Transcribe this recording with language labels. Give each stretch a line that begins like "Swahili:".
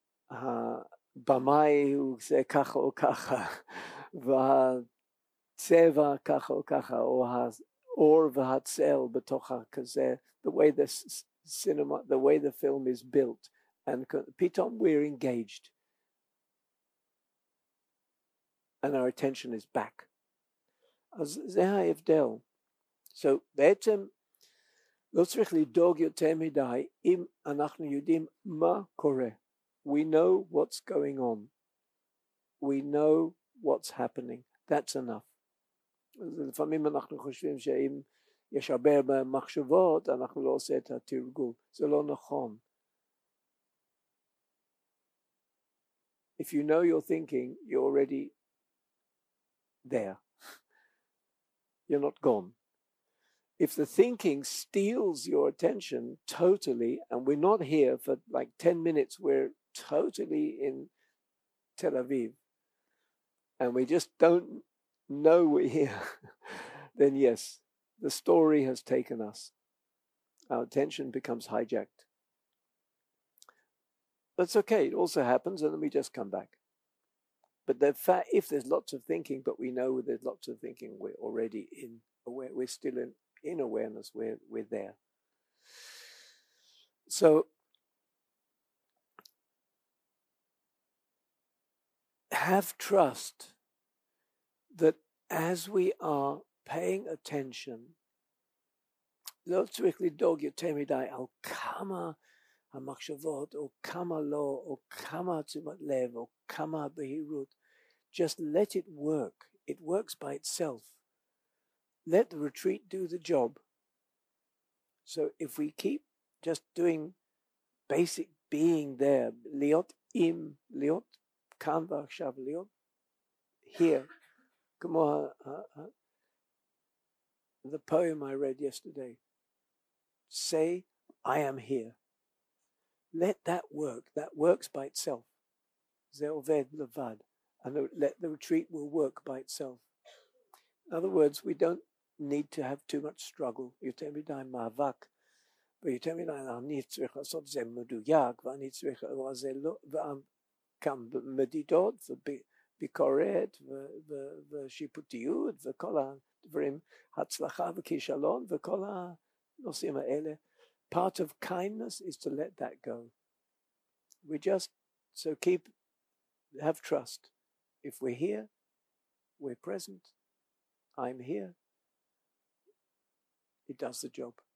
Hebrew: הבמאי הוא זה ככה או ככה, והצבע ככה או ככה, או אור והצל בתוך הכזה,
English: the way the cinema, the way the film is built, and
Hebrew: פתאום
English: we're engaged and our attention is back.
Hebrew: אז זה ההבדל. So בעצם לא צריך לדאוג יותר מדי אם אנחנו יודעים מה קורה.
English: We know what's going on, we know what's happening, that's enough.
Hebrew: לפעמים אנחנו חושבים שאם יש הרבה מחשבות אנחנו לא עושה את התרגול. זה לא נכון.
English: If you know you're thinking, you're already there. You're not gone. If the thinking steals your attention totally, and we're not here for like 10 minutes, we're totally in Tel Aviv, and we just don't know we're here, then yes, the story has taken us. Our attention becomes hijacked. That's okay, it also happens, and then we just come back. But the fact, if there's lots of thinking, but we know there's lots of thinking, we're already in aware, we're still in awareness, we're there. So have trust that as we are paying attention,
Hebrew: לא צריך לדאוג יותר מדי על כמה המחשבות, או כמה לא, או כמה תשומת לב, או כמה הבהירות.
English: Just let it work. It works by itself. Let the retreat do the job. So if we keep just doing basic being there,
Hebrew: להיות עם, להיות כאן ועכשיו, להיות
English: here, כמו the poem I read yesterday, say I am here, let that work, that works by itself,
Hebrew: זה עובד לבד,
English: and let the retreat will work by itself. In other words, we don't need to have too much struggle.
Hebrew: יותר מדי מאבק, ויותר מדי אני צריך לעשות זה מדויק, ואני צריך זה לא, וגם מדידות ביקורת ושיפוטיות וכל הדברים, הצלחה וכישלון וכל הנושאים האלה.
English: Part of kindness is to let that go. We just, so keep, have trust. If we're here, we're present, I'm here, it does the job.